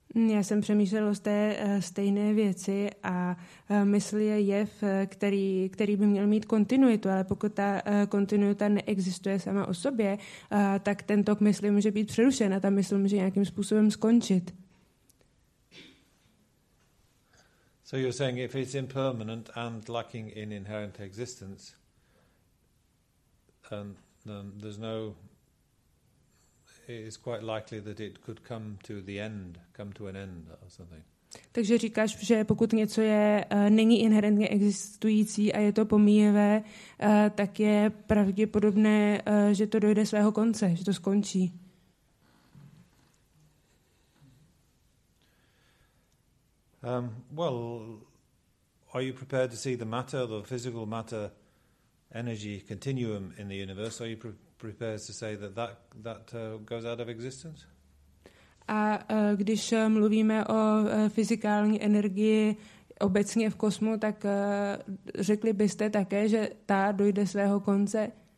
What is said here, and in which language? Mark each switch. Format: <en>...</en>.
<cs>Já jsem přemýšlel o té stejné věci a mysl je jev, který by měl mít kontinuitu, ale pokud ta kontinuita neexistuje sama o sobě, tak ten tok mysli může být přerušen a ta mysl může nějakým způsobem skončit.</cs> <en>So you're saying if it's impermanent and lacking in inherent existence, there's no... It's quite likely that it could come to the end, come to an end or something.</en> <cs>Takže říkáš, že pokud něco je není inherentně existující a je to pomíjevé, tak je pravděpodobné, že to dojde svého konce, že to skončí.</cs> <en>Well, are you prepared to see the matter, the physical matter, energy continuum in the universe? Are you prepares to say that goes out of existence?</en> <cs>A když mluvíme o fyzikální energii obecně v kosmu, tak řekli byste také, že ta dojde svého konce?</cs>